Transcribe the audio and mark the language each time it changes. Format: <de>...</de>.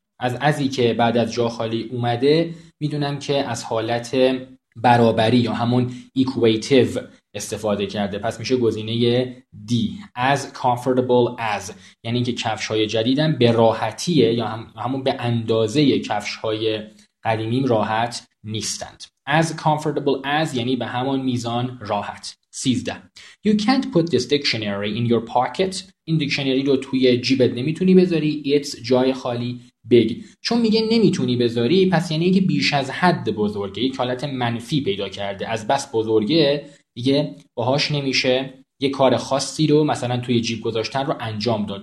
<fa>از ازی که بعد از جا خالی اومده میدونم که از حالت برابری یا همون ایکویتیو استفاده کرده، پس میشه گزینه دی. از comfortable as، یعنی که کفش های جدیدم به راحتیه یا همون به اندازه کفش های قدیمیم راحت نیستند. از comfortable as یعنی به همون میزان راحت. 13.</fa> <en>You can't put this dictionary in your pocket.</en> <fa>این دیکشنری رو توی جیبت نمیتونی بذاری. It's جای خالی big. چون میگه نمیتونی بذاری، پس یعنی که بیش از حد بزرگه، یک حالت منفی پیدا کرده، از بس بزرگه دیگه باهاش نمیشه یه کار خاصی رو مثلا توی جیب گذاشتن رو انجام داد.</fa>